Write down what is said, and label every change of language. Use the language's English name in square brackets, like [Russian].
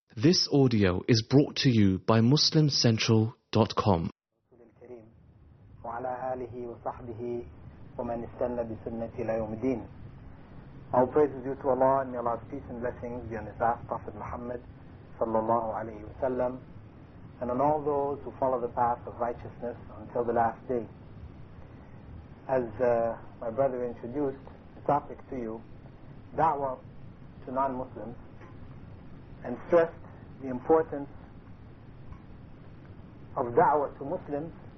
[English] This audio is brought to you by MuslimCentral.com. [Arabic] رسول الكريم وعلى آله وصحبه ومن استنى بسنة إلى يوم الدين. [English] All praise due to Allah and may Allah's peace and blessings be on His last Prophet Muhammad sallallahu alayhi wa sallam and on all those who follow the path of righteousness until the last day. As my brother introduced the topic to you, da'wah to non-Muslims, and stressed the importance of da'wah to Muslims,